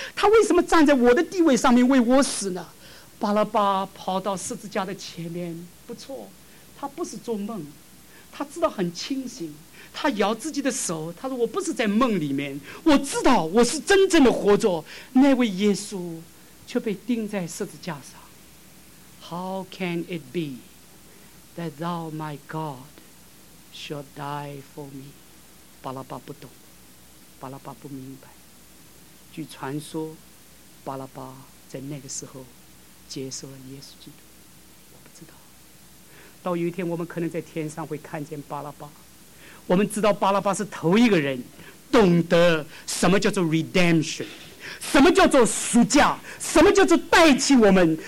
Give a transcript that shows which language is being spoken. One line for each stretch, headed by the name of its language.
Chinese: 他为什么站在我的地位上面为我死呢？巴拉巴跑到十字架的前面，不错，他不是做梦，他知道很清醒。他摇自己的手，他说：“我不是在梦里面，我知道我是真正的活着。” 那位耶稣却被钉在十字架上。
English: How can it be that thou, my God, shall die for me？
Chinese: 巴拉巴不懂，巴拉巴不明白。据传说，巴拉巴在那个时候接受了耶稣基督。我不知道。到有一天，我们可能在天上会看见巴拉巴。我们知道巴拉巴是头一个人懂得什么叫做 redemption， 什么叫做赎价，什么叫做代替我们。